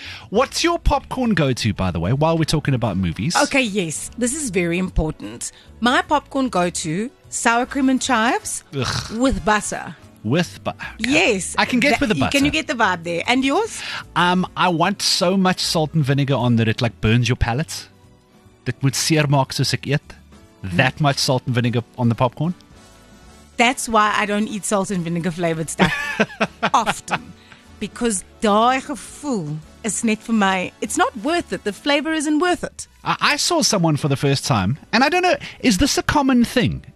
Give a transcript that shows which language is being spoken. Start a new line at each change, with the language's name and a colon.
English: What's your popcorn go-to, by the way, while we're talking about movies? Okay, yes. This is very important. My popcorn go-to, sour cream and chives with butter. With butter. Yes. I can get with the butter. Can you get the vibe there? And yours? I want so much salt and vinegar on that it like burns your palate.
Afrikaans: Dit moet seer maak soos ek eet.
English: That much salt and vinegar on the popcorn. That's why I don't eat salt and vinegar flavored stuff often. Because
Afrikaans: daai gevoel is net vir my,
English: it's not worth it. The flavor isn't worth it. I saw someone for the first time, and I don't know, is this a common thing?